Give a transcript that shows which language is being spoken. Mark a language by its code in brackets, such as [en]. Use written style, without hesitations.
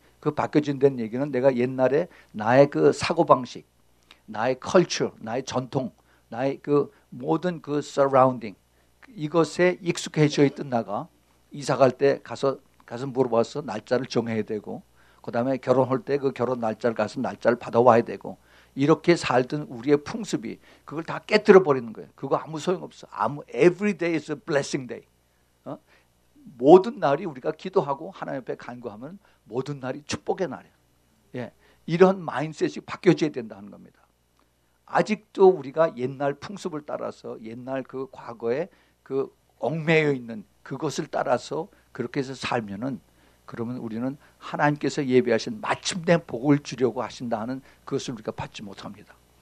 [ko] 그 바뀌어진다는 얘기는 내가 옛날에 나의 그 사고방식, 나의 culture, 나의 전통, 나의 그 모든 그 surrounding 이것에 익숙해져 있던 나가 이사 갈 때 가서 물어봐서 날짜를 정해야 되고 그 다음에 결혼할 때 그 결혼 날짜를 가서 날짜를 받아와야 되고 이렇게 살던 우리의 풍습이 그걸 다 깨뜨려 버리는 거예요. 그거 아무 소용없어. [en] Every day is a blessing day. [ko] 모든 날이 우리가 기도하고 하나님 옆에 간구하면 모든 날이 축복의 날이에요. 예, 이런 마인셋이 바뀌어져야 된다는 겁니다. 아직도 우리가 옛날 풍습을 따라서 옛날 그 과거에 그 얽매여 있는 그것을 따라서 그렇게 해서 살면은 그러면 우리는 하나님께서 예비하신 마침내 복을 주려고 하신다는 그것을 우리가 받지 못합니다.